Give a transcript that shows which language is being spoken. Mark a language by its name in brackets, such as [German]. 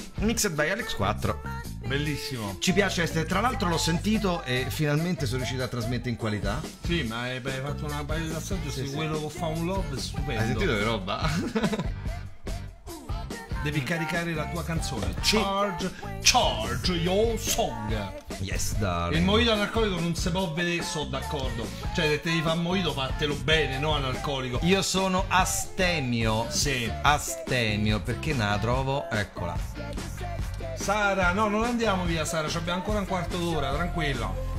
[English] Mixed by Alex 4. [Italian] Bellissimo. Ci piace essere, tra l'altro l'ho sentito e finalmente sono riuscito a trasmettere in qualità. Sì, ma hai fatto una paio di assaggio, sì, se sì. Quello che fa un love è stupendo. Hai sentito che roba? Devi caricare la tua canzone. [English] Charge, charge your song. Yes, darling. [Italian] Il mojito analcolico non si può vedere, sono d'accordo. Cioè, se te devi fare un mojito, fatelo bene, non analcolico. Io sono astemio. Sì. Astemio, perché la trovo? Eccola. Sara, no, non andiamo via, Sara, ci abbiamo ancora un quarto d'ora, tranquillo.